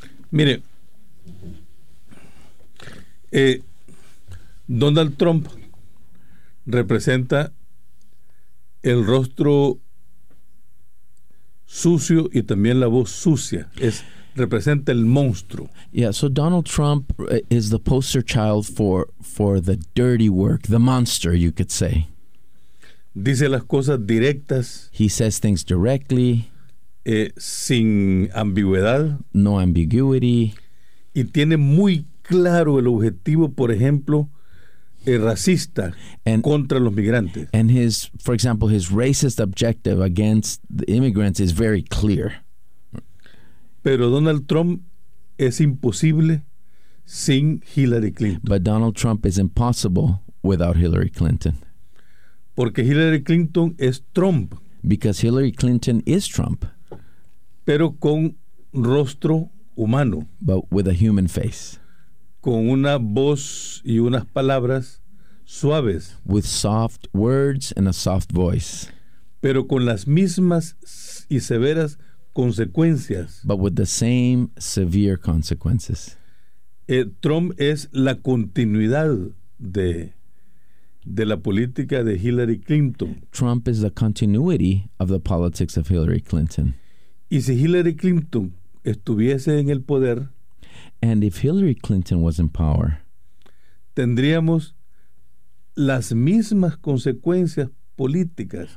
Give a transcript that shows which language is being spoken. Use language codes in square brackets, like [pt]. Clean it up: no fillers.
[es] Mire, Donald Trump representa el rostro sucio y también la voz sucia. Representa el monstruo. [en] Yeah, so Donald Trump is the poster child for the dirty work, the monster, you could say. [es] Dice las cosas directas. [en] He says things directly. [es] Sin ambigüedad. [en] No ambiguity. [es] Y tiene muy claro el objetivo, por ejemplo, racista [en] and, [es] contra los migrantes. [en] And his, for example, his racist objective against the immigrants is very clear. [es] Pero Donald Trump es imposible sin Hillary Clinton. [en] But Donald Trump is impossible without Hillary Clinton. [es] Porque Hillary Clinton es Trump. [en] Because Hillary Clinton is Trump. [es] Pero con rostro humano. [en] But with a human face. [es] Con una voz y unas palabras suaves. [en] With soft words and a soft voice. [es] Pero con las mismas y severas consecuencias. [en] But with the same severe consequences. [es] Trump es la continuidad de la política de Hillary Clinton. [en] Trump is the continuity of the politics of Hillary Clinton. [es] Y si Hillary Clinton estuviese en el poder... [en] And if Hillary Clinton was in power, [es] tendríamos las mismas consecuencias políticas.